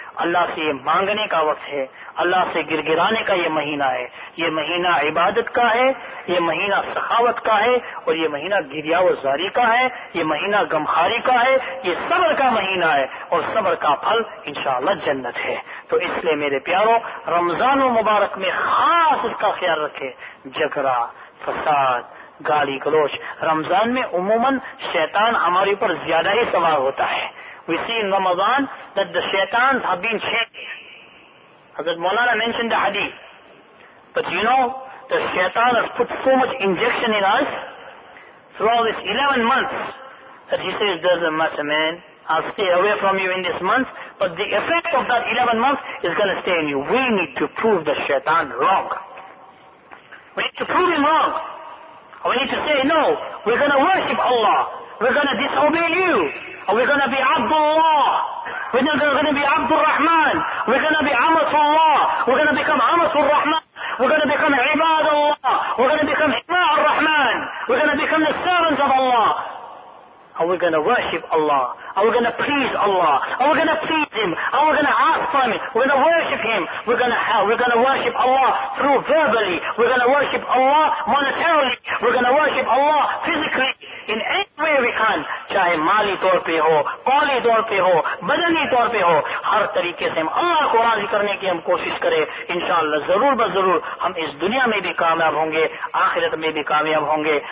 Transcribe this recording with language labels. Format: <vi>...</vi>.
<ur>اللہ سے یہ مانگنے کا وقت ہے, اللہ سے گرگرانے کا یہ مہینہ ہے, یہ مہینہ عبادت کا ہے, یہ مہینہ سخاوت کا ہے, اور یہ مہینہ گریہ و زاری کا ہے, یہ مہینہ غمخاری کا ہے, یہ صبر کا مہینہ ہے, اور صبر کا پھل انشاءاللہ جنت ہے. تو اس لیے میرے پیاروں رمضان و مبارک میں خاص اس کا خیال رکھے, جھگڑا فساد گالی گلوچ. رمضان میں عموماً شیطان ہمارے اوپر زیادہ ہی سوار ہوتا ہے.</ur> <en>We see in Ramadan that the shaitans have been checked. Hazrat Maulana mentioned the hadith. But you know, the shaitan has put so much injection in us throughout this 11 months that he says, doesn't matter man, I'll stay away from you in this month, but the effect of that 11 months is going to stay in you. We need to prove the shaitan wrong. We need to prove him wrong. We need to say, no, we're going to worship Allah. We're going to disobey you. We're going to be Abdullah. We're going to be Abdul Rahman. We're going to be Amatullah. We're going to become Amatul Rahman. We're going to become Ibadullah. We're going to become Ibadur Rahman. We're going to become the servants of Allah. And we're going to worship Allah. And we're going to please Allah. And we're going to please Him. And we're going to ask for Him. We're going to worship Him. We're going to worship Allah through verbally. We're going to worship Allah monetarily. We're going to worship Allah physically. In any way we can.</en> <ur>چاہے مالی طور پہ ہو, قولی طور پہ ہو, بدنی طور پہ ہو, ہر طریقے سے ہم اللہ کو راضی کرنے کی ہم کوشش کرے, انشاءاللہ ضرور بضرور ہم اس دنیا میں بھی کامیاب ہوں گے, آخرت میں بھی کامیاب ہوں گے.</ur>